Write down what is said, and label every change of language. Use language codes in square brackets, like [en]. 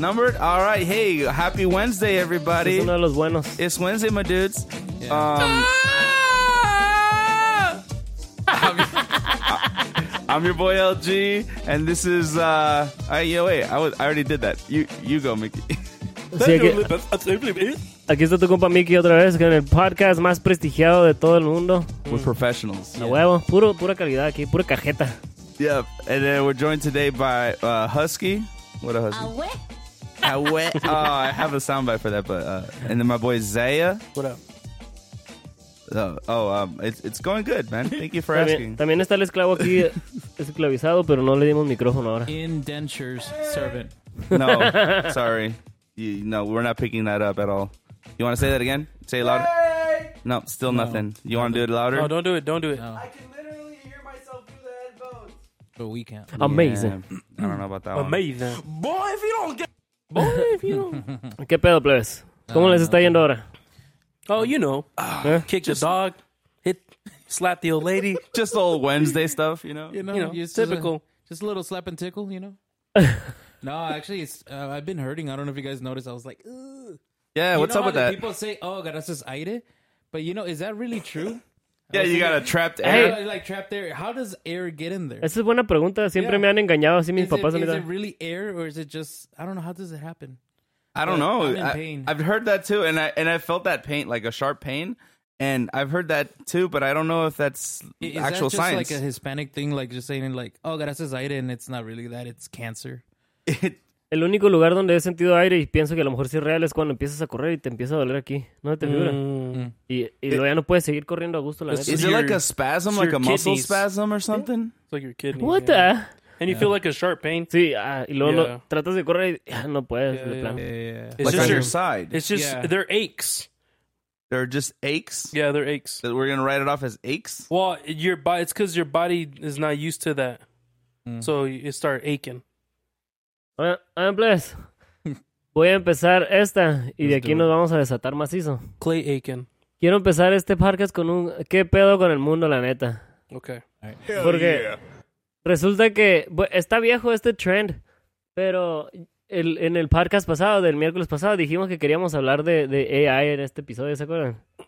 [en] Numbered? All right. Hey, happy Wednesday, everybody. [es] Es uno de los buenos. [en] It's Wednesday, my dudes. Yeah. I'm your boy LG, and this is I already did that. You go, Mickey. [es] Aquí está tu compa Mickey otra vez con el podcast más prestigiado de todo el mundo. [en] We're professionals. [es] A huevo, pura calidad aquí, pura cajeta. [en] Yep, and then we're joined today by Husky. What a Husky. Awe. Oh, I have a soundbite for that, but and then my boy Zaya. What up? It's going good, man. Thank you for asking. [es] También está el esclavo aquí, esclavizado, pero no le dimos micrófono ahora. [en] Indentures servant. No, sorry. No, we're not picking that up at all. You want to say that again? Say it louder. Yay! No, still nothing. You want to do it louder? No, don't do it. No. I can literally hear myself through the headphones. But we can't. Amazing. Yeah, I don't know about that Amazing. One. Boy, if you don't get... [es] ¿Qué pedo, plebes? ¿Cómo les está yendo ahora? [en] Oh, you know. Kick just, the dog. Slap the old lady. Just the old Wednesday stuff, you know? You know, typical. Just a little slap and tickle, you know? No, actually, it's I've been hurting. I don't know if you guys noticed. I was like, ugh. Yeah, you what's know up how with that? People say, oh, [es] gracias aire. [en] But, you know, is that really true? Yeah, you got a trapped air. Like trapped air. How does air get in there? [es] Esa es buena pregunta. Siempre me han engañado así mis papás. [en] Is it really air or is it just, I don't know, how does it happen? I don't know. I've heard that too. And I felt that pain, like a sharp pain. And I've heard that too, but I don't know if that's actual science. Is that just like a Hispanic thing, like just saying like, oh, [es] gracias aire, [en] and it's not really that, it's cancer. [es] El único lugar donde he sentido aire y pienso que a lo mejor sí es real es cuando empiezas a correr y te empieza a doler aquí. No te vibra. Y luego ya no puedes seguir corriendo a gusto. La [en] Is it like a spasm, like a kidneys. Muscle spasm or something? Yeah. It's like your kidney. What the? Yeah. And you feel like a sharp pain. [es] Sí, y luego tratas de correr y no puedes. [en] Yeah. It's like on your side. It's just, they're aches. They're just aches? Yeah, they're aches. That we're going to write it off as aches? Well, it's because your body is not used to that. Mm. So you start aching. I'm blessed. [es] Voy a empezar esta y de aquí nos vamos a desatar macizo. [en] Clay Aiken. [es] Quiero empezar este podcast con un qué pedo con el mundo, la neta. [en] Okay. [es] Porque resulta que está viejo este trend, pero en el podcast pasado, del miércoles pasado, dijimos que queríamos hablar de AI en este episodio, ¿se acuerdan?